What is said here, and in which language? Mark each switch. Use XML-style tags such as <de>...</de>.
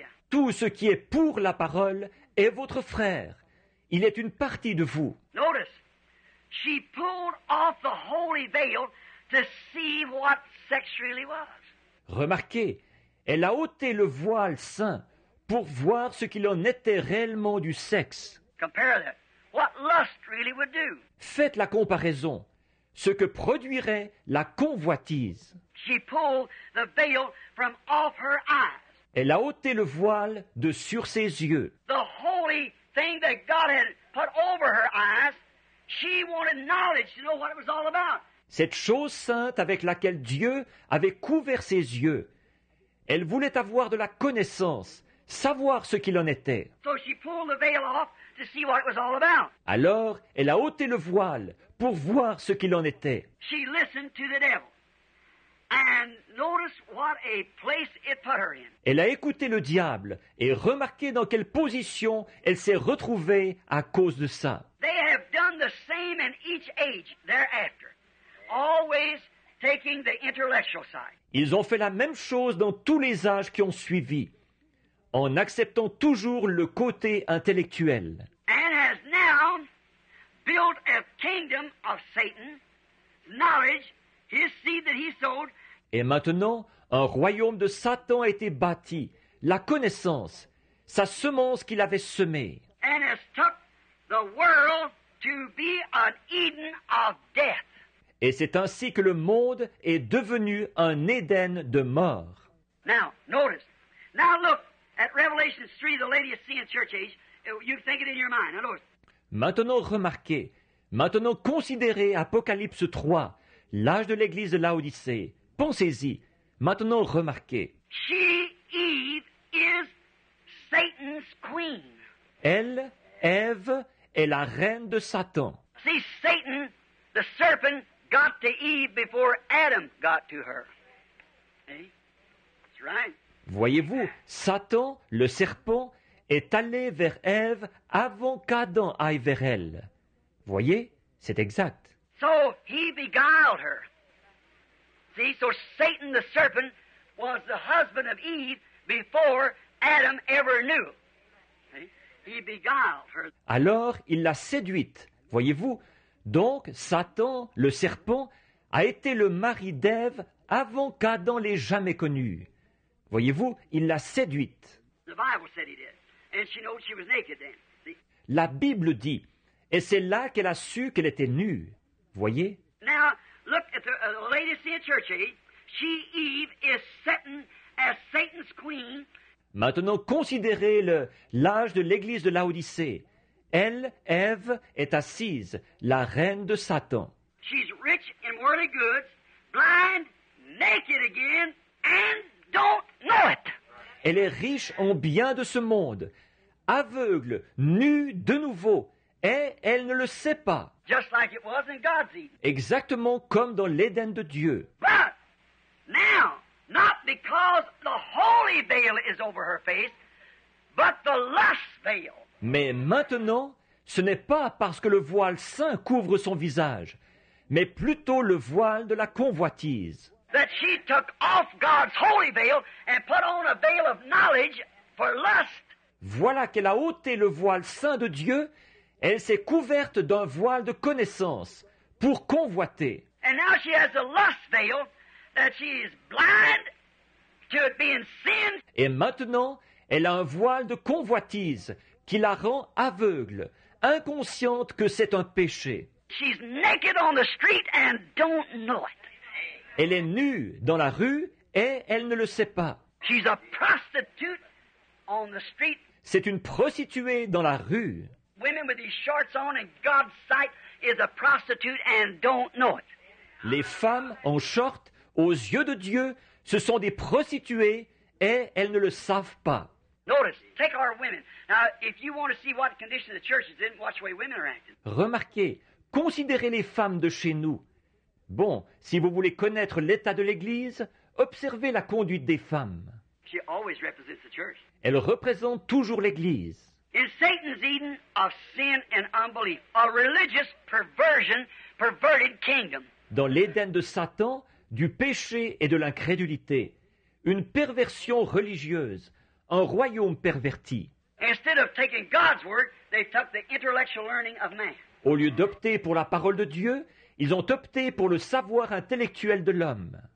<fr>Tout ce qui est pour la parole est votre frère. Il est une partie de vous.</fr> <en>Notice, she pulled off the holy veil to see what sex really was.</en> <fr>Remarquez, elle a ôté le voile saint pour voir ce qu'il en était réellement du sexe.</fr> <en>Compare that. What lust really would do.</en> <fr>Faites la comparaison. Ce que produirait la convoitise.</fr> <en>She pulled the veil from off her eyes.</en> <fr>Elle a ôté le voile de sur ses yeux.</fr> <en>The holy thing that God had put over her eyes, she wanted knowledge to know what it was all about.</en> <fr>Cette chose sainte avec laquelle Dieu avait couvert ses yeux, elle voulait avoir de la connaissance, savoir ce qu'il en était.</fr> <en>So she pulled the veil off to see what it was all about.</en> <fr>Alors, elle a ôté le voile pour voir ce qu'il en était.</fr> <en>She listened to the devil. And notice what a place it put her in.</en> <fr>Elle a écouté le diable et remarqué dans quelle position elle s'est retrouvée à cause de ça.</fr> <en>They have done the same in each age thereafter, always taking the intellectual side.</en> <fr>Ils ont fait la même chose dans tous les âges qui ont suivi, en acceptant toujours le côté intellectuel.</fr> <en>And has now built a kingdom of Satan, knowledge. His seed that he sowed.</en> <fr>Et maintenant, un royaume de Satan a été bâti, la connaissance, sa semence qu'il avait semée.</fr> <en>And has took the world to be an Eden of death.</en> <fr>Et c'est ainsi que le monde est devenu un Éden de mort.</fr> <en>Now, notice. Now look at Revelation 3, the latest seen in church age. You think it in your mind. Now notice.</en> <fr>Maintenant, remarquez. Maintenant, considérez Apocalypse 3. L'âge de l'église de Laodicée. Pensez-y. Maintenant, remarquez.</fr> <en>She, Eve, is Satan's queen.</en> <fr>Elle, Ève, est la reine de Satan.</fr> <en>See, Satan, the serpent, got to Eve before Adam got to her. Hey? That's right.</en> <fr>Voyez-vous, Satan, le serpent, est allé vers Ève avant qu'Adam aille vers elle. Voyez, c'est exact.</fr> <en>So he beguiled her. See, so Satan the serpent was the husband of Eve before Adam ever knew. See? He beguiled her.</en> <fr>Alors, il l'a séduite. Voyez-vous, donc Satan, le serpent, a été le mari d'Ève avant qu'Adam l'ait jamais connue. Voyez-vous, il l'a séduite.</fr> <en>The Bible said he did. And she knows she was naked then.</en> <fr>La Bible dit, et c'est là qu'elle a su qu'elle était nue. Voyez.</fr> <en>Now, look at the lady in church, eh? She, Eve, is sitting as Satan's queen.</en> <fr>Maintenant, considérez l'âge de l'église de Laodicée. Elle, Ève, est assise, la reine de Satan.</fr> <en>She's rich in worldly goods, blind, naked again, and don't know it.</en> <fr>Elle est riche en biens de ce monde, aveugle, nue de nouveau, et elle ne le sait pas.</fr> <en>Just like it was in God's Eden.</en> <fr>Exactement comme dans l'Éden de Dieu.</fr> <en>But now, not because the holy veil is over her face, but the lust veil.</en> <fr>Mais maintenant, ce n'est pas parce que le voile saint couvre son visage, mais plutôt le voile de la convoitise.</fr> <en>That she took off God's holy veil and put on a veil of knowledge for lust.</en> <fr>Voilà qu'elle a ôté le voile saint de Dieu. Elle s'est couverte d'un voile de connaissance pour convoiter.</fr> <en>And now she has a lust veil that she is blind to it being sin.</en> <fr>Et maintenant, elle a un voile de convoitise qui la rend aveugle, inconsciente que c'est un péché.</fr> <en>She's naked on the street and don't know it.</en> <fr>Elle est nue dans la rue et elle ne le sait pas.</fr> <en>She's a prostitute on the street.</en> <fr>C'est une prostituée dans la rue.</fr> <en>Women with these shorts on in God's sight is a prostitute and don't know it.</en> <fr>Les femmes en short aux yeux de Dieu, ce sont des prostituées et elles ne le savent pas.</fr> <en>Notice, take our women. Now, if you want to see what condition the church is in, watch the way women are acting.</en> <fr>Remarquez, considérez les femmes de chez nous. Bon, si vous voulez connaître l'état de l'Église, observez la conduite des femmes.</fr> <en>She always represents the church.</en> <fr>Elle représente toujours l'Église.</fr> <en>In Satan's Eden of sin and unbelief, a religious perversion, perverted kingdom.</en> <fr>Dans l'Éden de Satan, du péché et de l'incrédulité, une perversion religieuse, un royaume perverti.</fr> <en>Instead of taking God's word, they took the intellectual learning of man.</en> <fr>Au lieu d'opter pour la parole de Dieu, ils ont opté pour le savoir intellectuel de l'homme.</fr>